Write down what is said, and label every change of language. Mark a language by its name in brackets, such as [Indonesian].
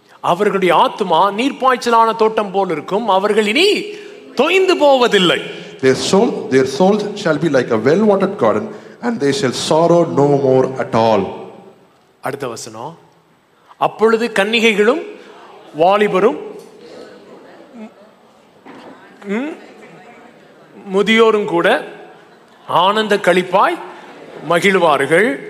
[Tamil] அவர்களுடைய ஆத்துமா நீர் பாய்ச்சலான தோட்டம் போல இருக்கும். அவர்கள் இனி தொய்ந்து போவதில்லை. [English] Their souls shall be like a well watered garden and they shall sorrow no more at all. [Tamil] அடுத்த வசனம் அப்பொழுது கன்னிகைகளும் வாலிபரும் முதியோரும் கூட ஆனந்த களிப்பாய் மகிழ்வார்கள்.